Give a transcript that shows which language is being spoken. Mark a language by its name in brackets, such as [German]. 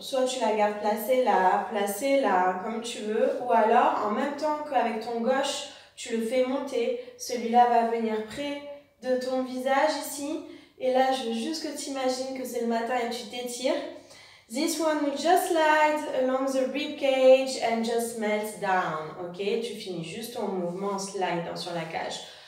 [French] Soit tu la gardes placée là, comme tu veux. Ou alors, en même temps qu'avec ton gauche, tu le fais monter. Celui-là va venir près de ton visage ici. Et là, je veux juste que tu imagines que c'est le matin et tu t'étires. [English] This one will just slide along the rib cage and just melt down. Ok. [French] Tu finis juste ton mouvement en slide sur la cage.